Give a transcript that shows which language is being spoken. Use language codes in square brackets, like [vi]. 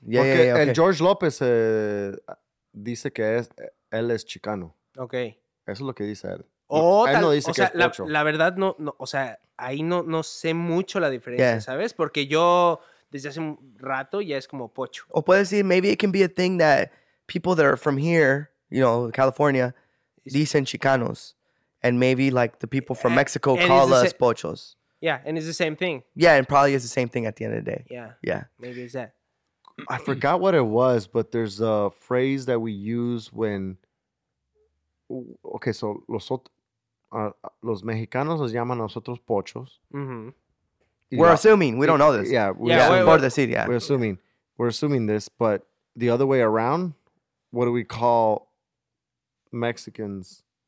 [es] Uh-huh. Yeah, porque el George López dice que él es chicano. Ok. Eso es lo que dice él. Él no dice que es pocho. La verdad, no, o sea, ahí no sé mucho la diferencia, ¿sabes? Porque yo... Desde hace un rato ya es como pocho. O puedes decir, [en] maybe it can be a thing that people that are from here, you know, California, [es] dicen chicanos. [en] And maybe like the people from Mexico call us pochos. Yeah, and it's the same thing. Yeah, and probably it's the same thing at the end of the day. Yeah. Yeah. Maybe it's that. I forgot what it was, but there's a phrase that we use when... Okay, so [es] los mexicanos los llaman a nosotros pochos. Mm-hmm. [en] We're assuming. We don't know this. Yeah. We're assuming this, but the other way around, what do we call Mexicans